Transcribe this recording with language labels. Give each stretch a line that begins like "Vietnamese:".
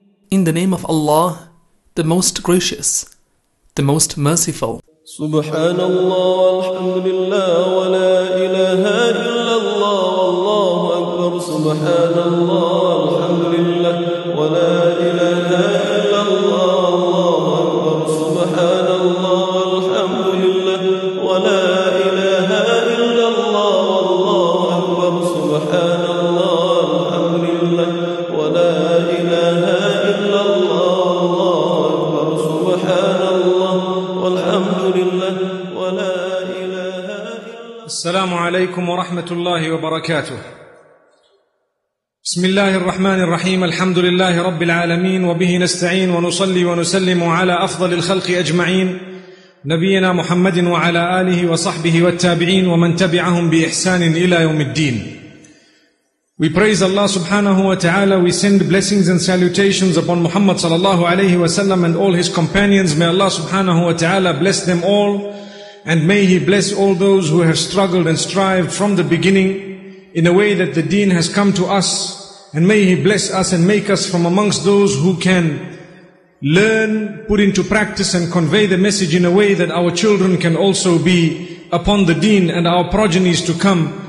English: In the name of Allah, the most gracious, the most merciful.
Arabic: سبحان الله والحمد لله ولا إله إلا الله والله أكبر. سبحان الله والحمد لله ولا إله إلا الله والله أكبر. سبحان الله والحمد لله ولا إله إلا الله والله أكبر. سبحان الله والحمد لله ولا إله إلا الله والله أكبر. سبحان الله والحمد لله ولا إله إلا الله. السلام عليكم ورحمة الله وبركاته. بسم الله الرحمن الرحيم. الحمد لله رب العالمين، وبه نستعين، ونصلي ونسلم على أفضل الخلق أجمعين، نبينا محمد وعلى آله وصحبه والتابعين ومن تبعهم بإحسان إلى يوم الدين.
English: We praise Allah subhanahu wa ta'ala. We send blessings and salutations upon Muhammad sallallahu alayhi wa sallam and all his companions. May Allah subhanahu wa ta'ala bless them all, and may he bless all those who have struggled and strived from the beginning in a way that the deen has come to us, and may he bless us and make us from amongst those who can learn, put into practice and convey the message in a way that our children can also be upon the deen and our progenies to come.